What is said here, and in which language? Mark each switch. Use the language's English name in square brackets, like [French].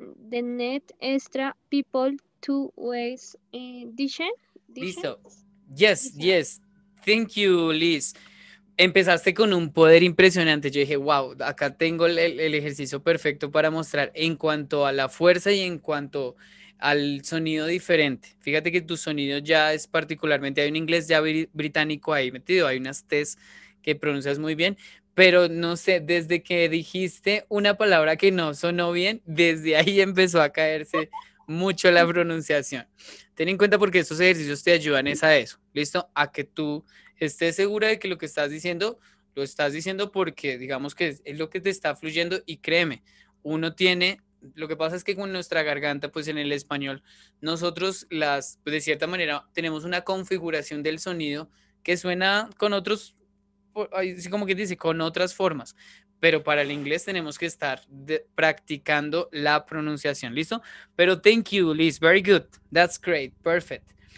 [English] They need extra people to waste dishes. [Spanish] Listo. [English] Yes, yes. Thank you, Liz. [Spanish] Empezaste con un poder impresionante. Yo dije, wow, acá tengo el ejercicio perfecto para mostrar en cuanto a la fuerza y en cuanto al sonido diferente. Fíjate que tu sonido ya es particularmente, hay un inglés ya británico ahí metido, hay unas T's que pronuncias muy bien. Pero no sé, desde que dijiste una palabra que no sonó bien, desde ahí empezó a caerse mucho la pronunciación. Ten en cuenta porque estos ejercicios te ayudan es a eso, ¿listo? A que tú estés segura de que lo que estás diciendo, lo estás diciendo porque digamos que es lo que te está fluyendo. Y créeme, uno tiene, lo que pasa es que con nuestra garganta, pues en el español, nosotros las, pues de cierta manera, tenemos una configuración del sonido que suena con otros, así como que dice, con otras formas, pero para el inglés tenemos que estar practicando la pronunciación, ¿listo? Pero [English] thank you, Liz, very good, that's great, perfect.